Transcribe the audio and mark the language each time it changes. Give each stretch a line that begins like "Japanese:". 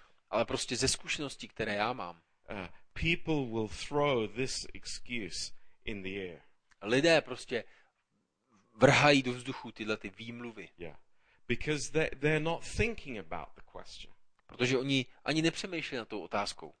Czech: Ale prostě ze zkušeností, které já mám,
English: people will throw this excuse in the air.
Czech: Lidé prostě vrhají do vzduchu tyhle ty výmluvy.
English: Yeah. Because they're not thinking about the question.
Czech: Protože oni ani nepřemýšlejí nad tou otázkou.